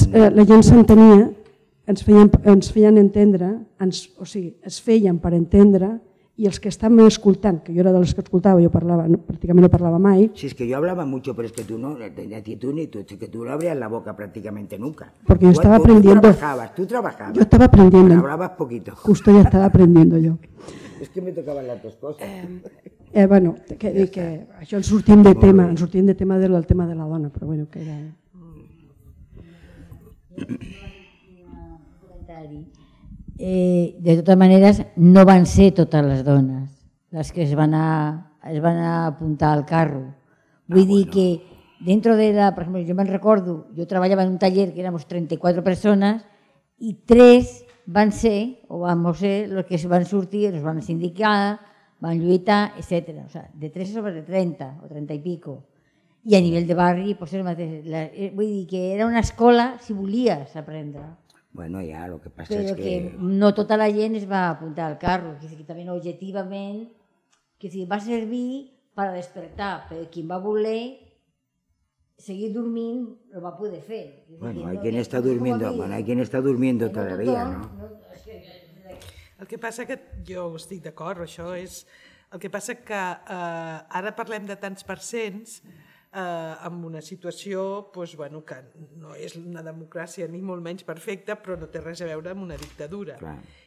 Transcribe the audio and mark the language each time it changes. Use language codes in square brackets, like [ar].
[ca] La gent s'entenia, ens feien entendre, es feien per entendre, i els que estaven escoltant, que jo era de les que escoltava, jo parlava, no, pràcticament no parlava mai. Sí, és que jo [es] hablava mucho, [ca] però és que tu no, [es] a ti tu ni tu, [ca] és que tu no [es] abrías la boca pràcticamente nunca. [ca] Perquè jo estava [es] aprendiendo. Tu trabajabas. [ca] Jo estava [es] aprendiendo. Pero hablabas poquito. Justo ya estaba aprendiendo yo. Es que me tocaban las dos cosas. [ca] Bueno, que això ens sortim de tema, ens sortim de tema del tema de la dona, però bueno, que era... De totes maneres, no van ser totes les dones les que es van anar a apuntar al carro. Vull dir que [es] dentro de la... [ca] Per exemple, jo me'n recordo, jo treballava en un taller que [es] éramos [ca] 34 persones i 3 van ser, o vam ser, els que van sortir, els van sindicar, van lluitar, etc. [es] O sea, [ca] de 3 sobre 30 o 30 i pico. I a nivell de barri, [es] pues, [ca] el mateix, vull dir que era una escola si volies aprendre. [es] Bueno, ya, lo que pasa es [ca] que no tota la gent es va apuntar al carro, que sí que també objectivament que sí va servir per despertar, però qui va voler seguir dormint no va poder fer. [es] Bueno, hay quien está durmiendo, todavía, ¿no? [ca] El que passa que jo estic d'acord, això és el que passa que ara parlem de tants percents amb una situació [es] pues, [ca] bueno, que no és una democràcia ni molt menys perfecta, però no té res a veure amb una dictadura. Clar.